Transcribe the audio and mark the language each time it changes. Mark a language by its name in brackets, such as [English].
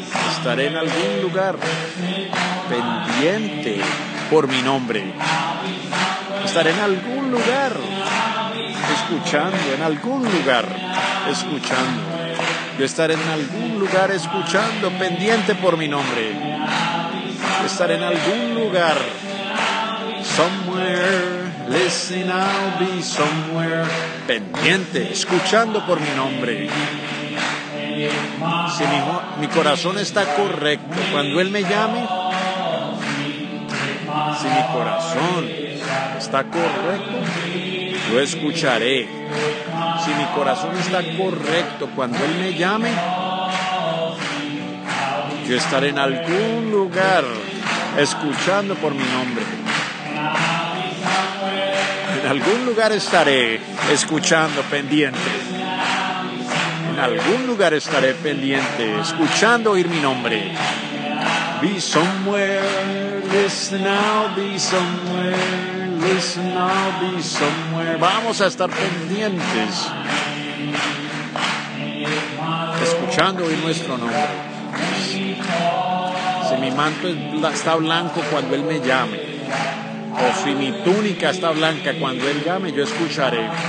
[Spanish] Estaré en algún lugar pendiente por mi nombre. Estaré en algún lugar escuchando, en algún lugar escuchando. Yo estaré en algún lugar escuchando, pendiente por mi nombre. Estaré en algún lugar. [English] Somewhere, listen, I'll be somewhere. [Spanish] Pendiente, escuchando por mi nombre. Si mi corazón está correcto, cuando Él me llame. Si mi corazón está correcto, yo escucharé. Si mi corazón está correcto cuando Él me llame, yo estaré en algún lugar escuchando por mi nombre. En algún lugar estaré escuchando pendiente. En algún lugar estaré pendiente escuchando oír mi nombre. [English] Be somewhere, listen now, be somewhere. Listen, I'll be somewhere. [Spanish] Vamos a estar pendientes, escuchando hoy nuestro nombre. Si mi manto está blanco cuando Él me llame, o si mi túnica está blanca cuando Él llame, yo escucharé.